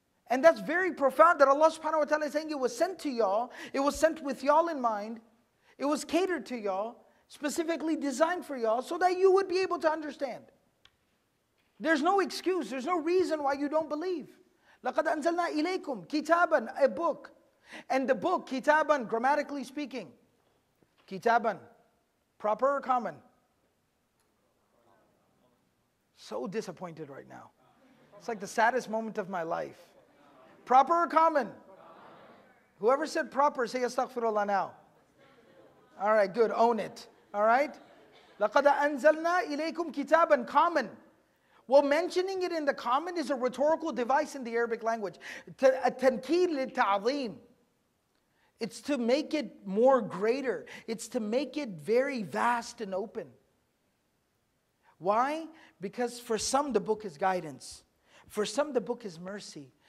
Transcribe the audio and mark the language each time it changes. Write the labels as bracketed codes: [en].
[en] And that's very profound that Allah subhanahu wa ta'ala is saying it was sent to y'all, it was sent with y'all in mind, it was catered to y'all, specifically designed for y'all, so that you would be able to understand. There's no excuse, there's no reason why you don't believe. [ar] لَقَدْ أَنزَلْنَا إِلَيْكُمْ كِتَابًا, [en] a book. And the book, كِتَابًا, grammatically speaking, كِتَابًا, proper or common? So disappointed right now. It's like the saddest moment of my life. Proper or common? Whoever said proper, say astaghfirullah now. All right, good, own it. All right? [ar] لَقَدْ أَنزَلْنَا إِلَيْكُمْ كِتَابًا, [en] common. Well, mentioning it in the common is a rhetorical device in the Arabic language. [ar] تَنْكِيد لِلْتَعْظِيمِ. [en] It's to make it more greater. It's to make it very vast and open. Why? Because for some the book is guidance. For some the book is mercy.